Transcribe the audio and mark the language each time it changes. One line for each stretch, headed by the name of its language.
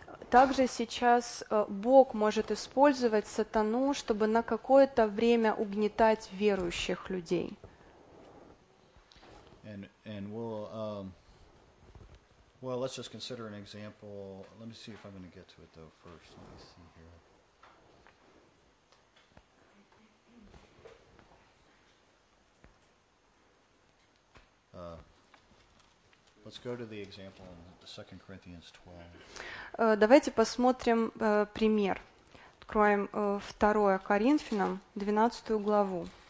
Russian: Также сейчас Бог может использовать сатану, чтобы на какое-то время угнетать верующих людей.
English: And we'll, well, let's just consider an example. Let me see if I'm going to get to it, though, first. Let me see here. Let's go to the example in 2 Corinthians 12.
Russian: Давайте посмотрим пример. Откроем 2 Коринфянам 12 главу.